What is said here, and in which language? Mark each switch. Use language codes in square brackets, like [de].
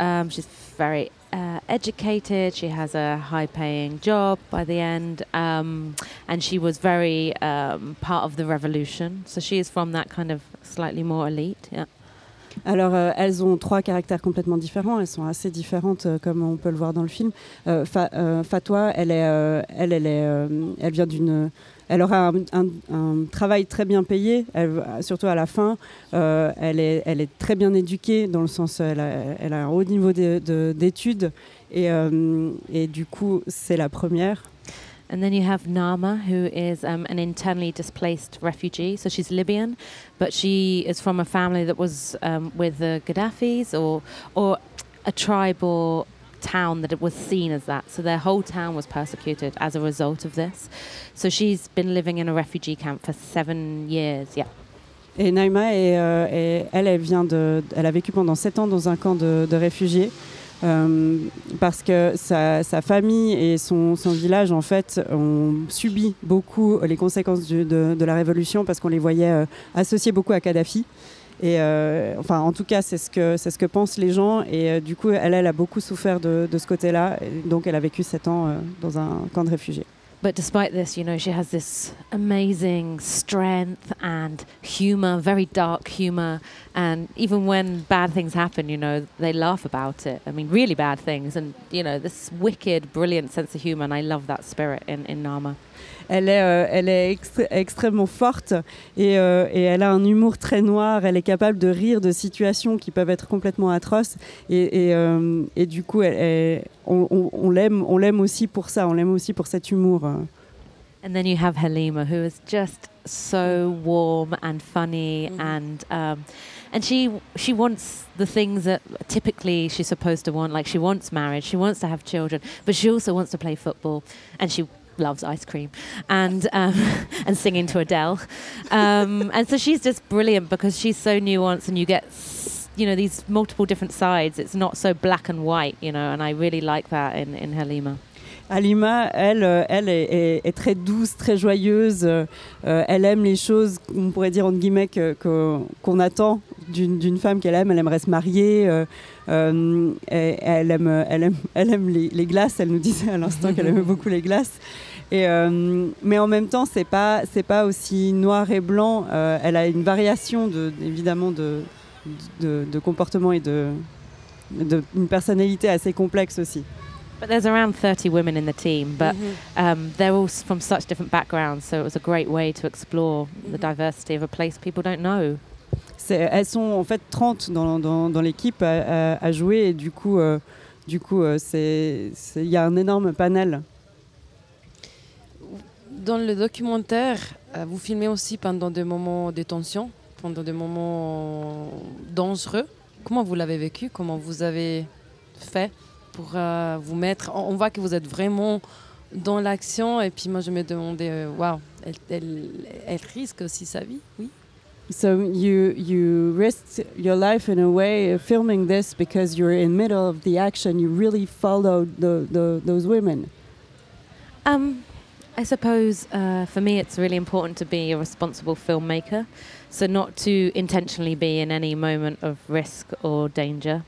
[en] She's very educated. She has a high-paying job by the end, and she was very part of the revolution. So she is from that kind of slightly more elite. Yeah. [fr] Alors, elles ont 3 caractères complètement différents. Elles sont assez différentes, comme on peut le voir dans le film. Fatwa, elle vient d'une. Elle aura un travail très bien payé, surtout à la fin. Elle est très bien éduquée, dans le sens elle a un haut niveau d'études. Et du coup, c'est la première. [en] And then you have Nama, who is an internally displaced refugee. So she's Libyan, but she is from a family that was with the Gaddafis, or a tribe or town that it was seen as that. So their whole town was persecuted as a result of this. So she's been living in a refugee camp for 7 years. Yeah. [fr] Et Naima, elle a vécu pendant 7 ans dans un camp de réfugiés. Parce que sa famille et son village en fait ont subi beaucoup les conséquences de la révolution parce qu'on les voyait associés beaucoup à Kadhafi enfin en tout cas c'est ce que pensent les gens et du coup elle a beaucoup souffert de ce côté-là donc elle a vécu 7 ans dans un camp de réfugiés. [en] But despite this, you know, she has this amazing strength and humor, very dark humor. And even when bad things happen, you know, they laugh about it. I mean, really bad things. And, you know, this wicked, brilliant sense of humor. And I love that spirit in Nama. [fr] Elle est extrêmement forte et elle a un humour très noir. Elle est capable de rire de situations qui peuvent être complètement atroces et du coup on l'aime aussi pour ça. On l'aime aussi pour cet humour. [en] And then you have Halima, who is just so warm and funny, and she wants the things that typically she's supposed to want. Like she wants marriage, she wants to have children, but she also wants to play football, and she loves ice cream and singing to Adele and so she's just brilliant because she's so nuanced and you get these multiple different sides. It's not so black and white, you know, and I really like that in Halima. [fr] Halima, elle est très douce, très joyeuse. Elle aime les choses, on pourrait dire entre guillemets, qu'on attend d'une femme qu'elle aime. Elle aimerait se marier. Elle aime les glaces. Elle nous disait à l'instant qu'elle aimait beaucoup les glaces. Mais en même temps, c'est pas aussi noir et blanc. Elle a une variation de comportement et d'une personnalité assez complexe aussi. [en] But there's around 30 women in the team, but mm-hmm. They're all from such different backgrounds, so it was a great way to explore mm-hmm. the diversity of a place people don't know. [fr] Elles sont en fait 30 dans l'équipe à jouer, et du coup, y a un énorme panel. Dans le documentaire, vous filmez aussi pendant des moments de tension, pendant des moments dangereux. Comment vous l'avez vécu? Comment vous avez fait pour vous mettre? On voit que vous êtes vraiment dans l'action. Et puis moi, je me demandais, elle risque aussi sa vie, oui? [en] So you risked your life in a way filming this because you're in the middle of the action. You really followed those women. I suppose for me it's really important to be a responsible filmmaker, so not to intentionally be in any moment of risk or danger.